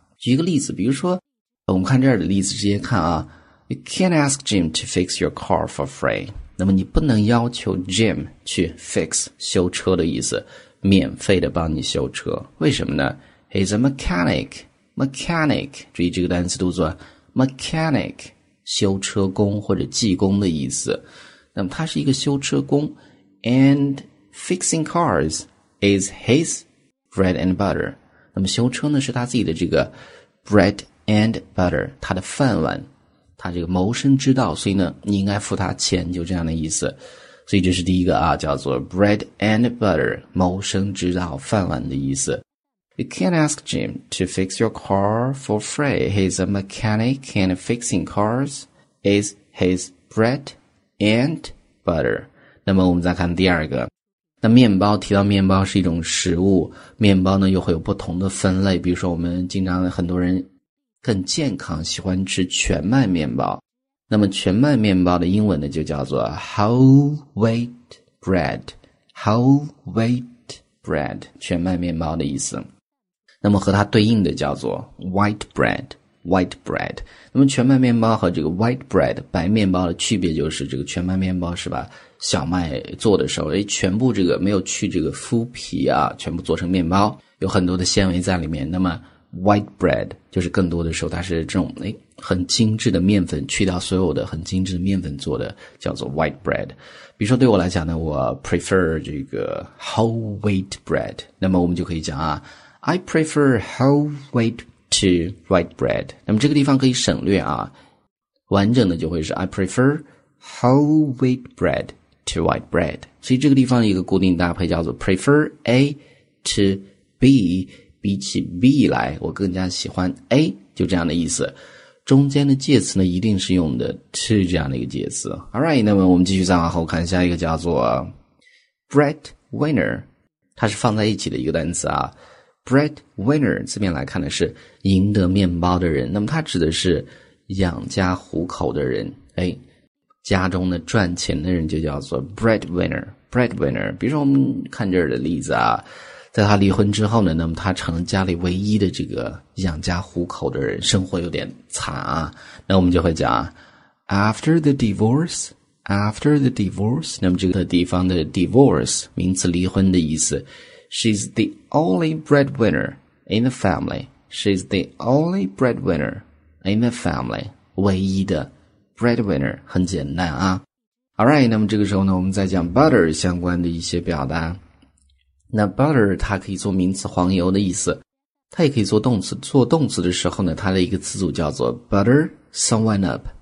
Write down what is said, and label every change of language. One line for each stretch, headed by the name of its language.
Chinese: 举一个例子，比如说，我们看这儿的例子，直接看啊 ，
English: You can't ask Jim to fix your car for free。
Chinese: 那么你不能要求 Jim 去 fix 修车的意思，免费的帮你修车，为什么呢 ？
English: He's a mechanic。
Chinese: Mechanic， 注意这个单词读作 mechanic， 修车工或者技工的意思。那么他是一个修车工
English: ，and fixing cars is his bread and butter。
Chinese: 那么修车呢是他自己的这个 bread and butter， 他的饭碗，他这个谋生之道。所以呢，你应该付他钱，就这样的意思。所以这是第一个啊，叫做 bread and butter， 谋生之道，饭碗的意思。
English: You can't ask Jim to fix your car for free. He's a mechanic and fixing cars is his bread and butter.
Chinese: 那么我们再看第二个。那面包，提到面包是一种食物，面包呢又会有不同的分类，比如说我们经常很多人更健康，喜欢吃全麦面包。那么全麦面包的英文呢就叫做 whole wheat bread, 全麦面包的意思。那么和它对应的叫做 white bread。那么全麦面包和这个 white bread 白面包的区别就是，这个全麦面包是把小麦做的时候，全部这个没有去这个麸皮啊，全部做成面包，有很多的纤维在里面。那么 white bread 就是更多的时候它是这种很精致的面粉，去掉所有的很精致的面粉做的，叫做 white bread。比如说对我来讲呢，我 prefer 这个 whole wheat bread。那么我们就可以讲啊。
English: I prefer whole wheat to white bread.
Chinese: 那么这个地方可以省略啊，完整的就会是
English: I prefer whole wheat bread to white bread.
Chinese: 所以这个地方一个固定搭配叫做 prefer A to B， 比起 B 来我更加喜欢 A， 就这样的意思。中间的介词呢一定是用的 to 这样的一个介词。 Alright， 那么我们继续再往后看下一个叫做 breadwinner， 它是放在一起的一个单词啊。 Breadwinner 字面来看的是赢得面包的人，那么它指的是养家糊口的人，家中的赚钱的人就叫做 breadwinner。比如说我们看这儿的例子啊，在他离婚之后呢，那么他成了家里唯一的这个养家糊口的人，生活有点惨啊。那我们就会讲
English: after the divorce，
Chinese: 那么这个地方的 divorce 名词离婚的意思。
English: She's the only breadwinner in the family. She's the only breadwinner in the family.
Chinese: 唯一的 breadwinner， 很简单啊。Alright， 那么这个时候呢，我们再讲 butter 相关的一些表达。那 butter 它可以做名词黄油的意思，它也可以做动词。做动词的时候呢，它的一个词组叫做 butter someone up。